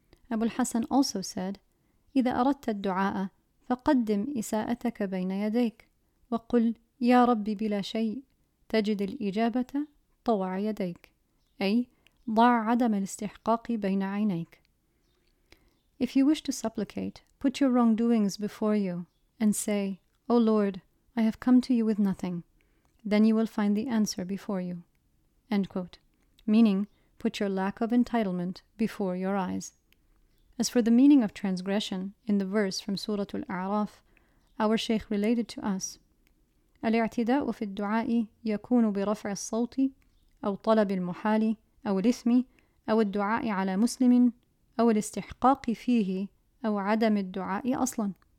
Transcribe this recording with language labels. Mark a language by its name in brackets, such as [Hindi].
[English] Abu al-Hasan also said, [Arabic] إذا أردت الدعاء فقدم إساءتك بين يديك وقل يا ربي بلا شيء تجد الإجابة طوع يديك أي ضع عدم الاستحقاق بين عينيك. [English] If you wish to supplicate, put your wrongdoings before you and say, O Lord, I have come to you with nothing. Then you will find the answer before you. End quote. Meaning, put your lack of entitlement before your eyes. As for the meaning of transgression in the verse from Surah Al-A'raf, our Shaykh related to us, [Arabic] الاعتداء في الدعاء يكون برفع الصوت أو طلب المحال أو الإثم أو الدعاء على مسلم أو الاستحقاق فيه أو عدم الدعاء أصلا.